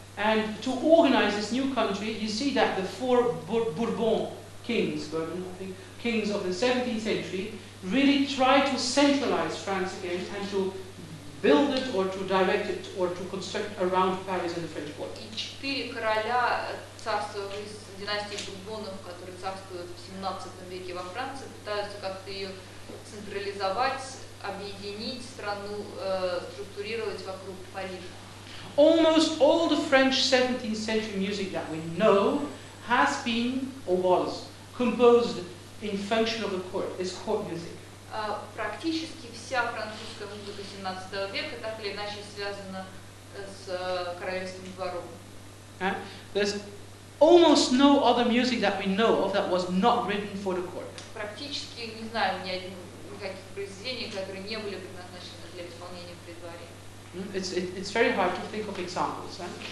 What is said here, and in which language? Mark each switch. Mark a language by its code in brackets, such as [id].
[en] And to organize this new country, you see that the four Bourbon kings, kings of the 17th century, really try to centralize France again and to build it or to direct it or to construct around Paris and the French court. [ru] И четыре короля династии Бурбонов, которые царствуют в 17 веке во Франции, пытаются как-то ее централизовать, объединить страну, структурировать вокруг Парижа. [en] Almost all the French 17th century music that we know has been or was composed in function of the court, this court music. [ru] Практически вся французская музыка 17 века так или иначе связана с королевским двором. [en] There's almost no other music that we know of that was not written for the court. [ru] Практически не знаю ни один каких произведений, которые не были предназначены для исполнения при дворе. [en] It's very hard to think of examples, eh?